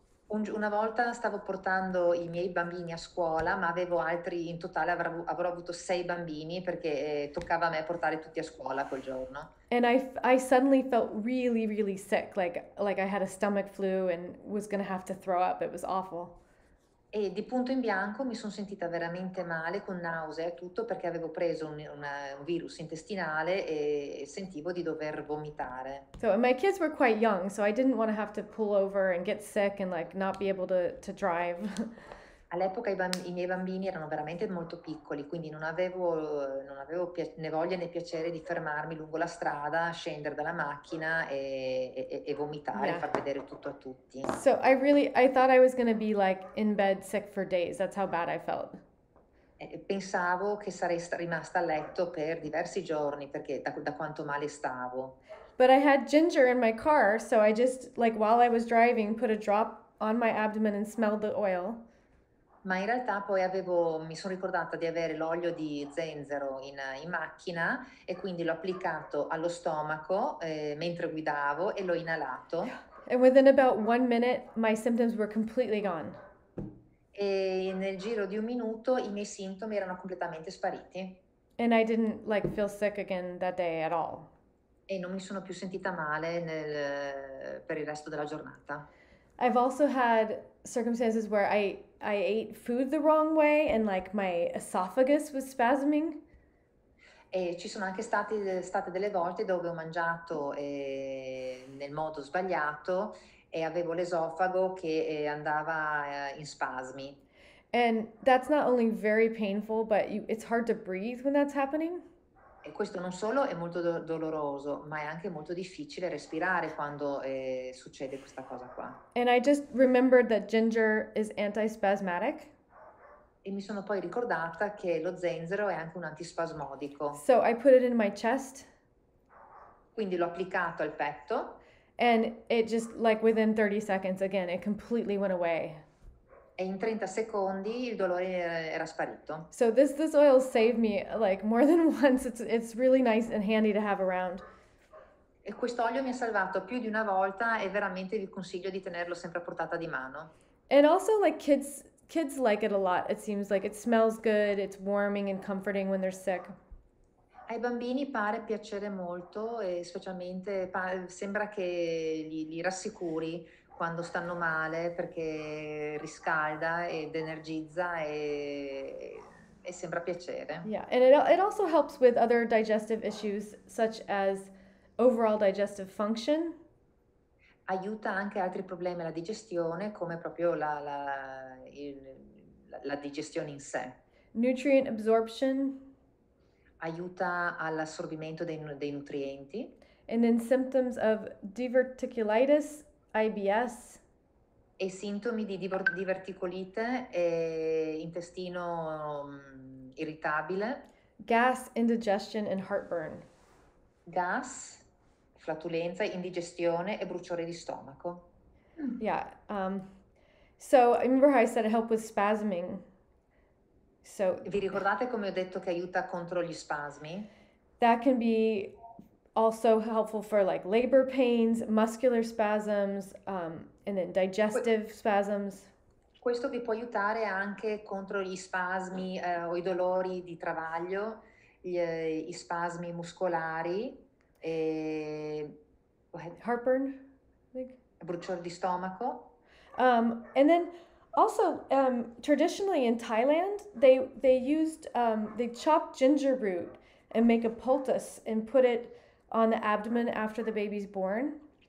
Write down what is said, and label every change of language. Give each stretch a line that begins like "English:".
Italian: Una volta stavo portando i miei bambini a scuola, ma avevo altri, in totale avrò avuto 6 bambini perché toccava a me portare tutti a scuola quel giorno.
English: And I suddenly felt really, really sick, like I had a stomach flu and was gonna have to throw up, it was awful.
Italian: E di punto in bianco mi sono sentita veramente male, con nausea e tutto, perché avevo preso un virus intestinale e sentivo di dover vomitare.
English: So my kids were quite young, so I didn't want to have to pull over and get sick and like not be able to drive.
Italian: All'epoca i miei bambini erano veramente molto piccoli, quindi non avevo né voglia né piacere di fermarmi lungo la strada, scendere dalla macchina e vomitare, yeah, e far vedere tutto a tutti.
English: So I thought I was gonna be like in bed sick for days, that's how bad I felt.
Italian: Pensavo che sarei rimasta a letto per diversi giorni, perché da quanto male stavo.
English: But I had ginger in my car, so I just, like while I was driving, put a drop on my abdomen and smelled the oil.
Italian: Ma in realtà poi mi sono ricordata di avere l'olio di zenzero in macchina e quindi l'ho applicato allo stomaco mentre guidavo e l'ho inalato.
English: And within about 1 minute my symptoms were completely gone.
Italian: E nel giro di un minuto i miei sintomi erano completamente spariti.
English: And I didn't like feel sick again that day at all.
Italian: E non mi sono più sentita male per il resto della giornata.
English: I've also had circumstances where I ate food the wrong way and like my esophagus was spasming.
Italian: E ci sono anche state delle volte dove ho mangiato nel modo sbagliato e avevo l'esofago che andava in spasmi.
English: And that's not only very painful, but it's hard to breathe when that's happening.
Italian: E questo non solo è molto doloroso, ma è anche molto difficile respirare quando succede questa cosa qua.
English: And I just remembered that ginger is antispasmatic.
Italian: E mi sono poi ricordata che lo zenzero è anche un antispasmodico.
English: So I put it in my chest.
Italian: Quindi l'ho applicato al petto.
English: And it just, like within 30 seconds again, it completely went away.
Italian: E in 30 secondi il dolore era sparito.
English: So this oil saved me like more than once. It's really nice and handy to have around.
Italian: E questo olio mi ha salvato più di una volta e veramente vi consiglio di tenerlo sempre a portata di mano.
English: And also like kids like it a lot. It seems like it smells good, it's warming and comforting when they're sick.
Italian: Ai bambini pare piacere molto e specialmente sembra che li rassicuri quando stanno male, perché riscalda ed energizza e sembra piacere.
English: Yeah, and it also helps with other digestive issues such as overall digestive function.
Italian: Aiuta anche altri problemi alla digestione, come proprio la digestione in sé.
English: Nutrient absorption.
Italian: Aiuta all'assorbimento dei nutrienti.
English: And then symptoms of diverticulitis, IBS.
Italian: E sintomi di diverticolite e intestino irritabile.
English: Gas, indigestion and heartburn.
Italian: Gas, flatulenza, indigestione e bruciore di stomaco. Yeah.
English: So I remember how I said it helped with spasming. So
Italian: vi ricordate come ho detto che aiuta contro gli spasmi?
English: That can be also helpful for like labor pains, muscular spasms, and then digestive spasms.
Italian: Questo vi può aiutare anche contro gli spasmi o i dolori di travaglio, i spasmi muscolari e
English: heartburn,
Italian: bruciore di stomaco.
English: And then also traditionally in Thailand they used they chopped ginger root and make a poultice and put it on the abdomen after the baby's born.